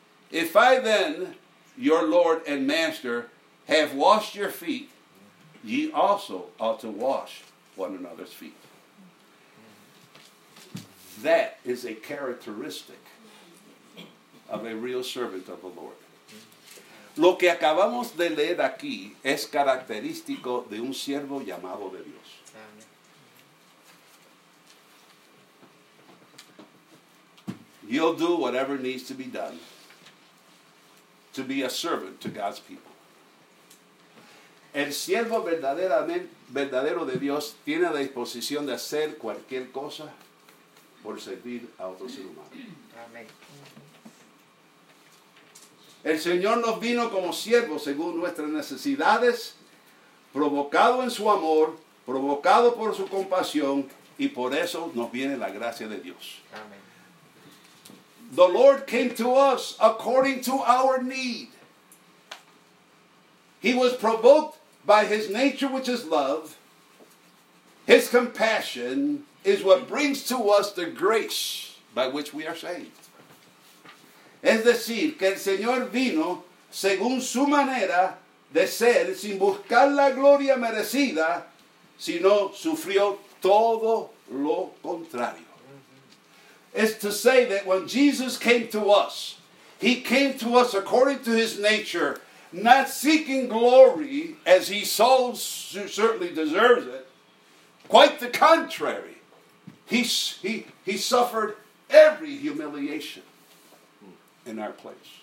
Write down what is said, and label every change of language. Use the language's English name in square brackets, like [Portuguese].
[English] If I then, your Lord and master, have washed your feet, ye also ought to wash one another's feet. That is a characteristic of a real servant of the Lord. [Spanish] Lo que acabamos de leer aquí es característico de un siervo llamado de Dios. [English] You'll do whatever needs to be done to be a servant to God's people. [Spanish] El siervo verdadero de Dios tiene la disposición de hacer cualquier cosa por servir a otro ser humano. Amén. El Señor nos vino como siervos según nuestras necesidades, provocado en su amor, provocado por su compasión, y por eso nos viene la gracia de Dios. [English] Amen. The Lord came to us according to our need. He was provoked by his nature, which is love. His compassion is what brings to us the grace by which we are saved. [Spanish] Es decir, que el Señor vino según su manera de ser, sin buscar la gloria merecida, sino sufrió todo lo contrario. [English] It's to say that when Jesus came to us, he came to us according to his nature, not seeking glory as he so certainly deserves it. Quite the contrary, he suffered every humiliation in our place.